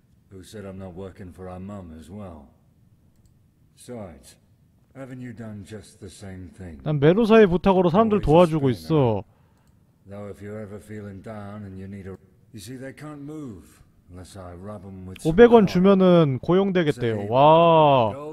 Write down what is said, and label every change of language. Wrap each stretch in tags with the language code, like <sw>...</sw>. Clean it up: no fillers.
<en>Who said I'm not working for our mum as well? Besides, haven't you done just the same thing?</en> <ko>난 메로사의 부탁으로 사람들 도와주고 있어.</ko> <en>Now if you're ever feeling down and you need a, you see they can't move.</en> <ko>500원 주면은 고용되겠대요. 와.</ko>